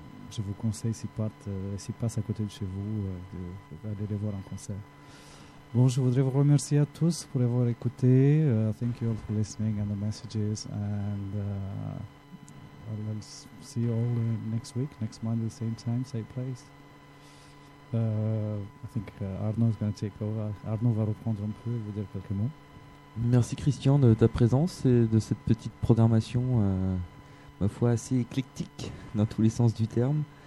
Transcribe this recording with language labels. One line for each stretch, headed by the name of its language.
French: Je vous conseille s'ils passent à côté de chez vous d'aller les voir en concert. Bon, je voudrais vous remercier à tous pour avoir écouté.
English: Thank you all for listening and the messages. And I'll see you all next week, next Monday, same time, same place. I think Arnaud is going to take over.
French: Arnaud va reprendre un peu et vous dire quelques mots. Merci Christian de ta présence et de cette petite programmation, ma foi assez éclectique dans tous les sens du terme.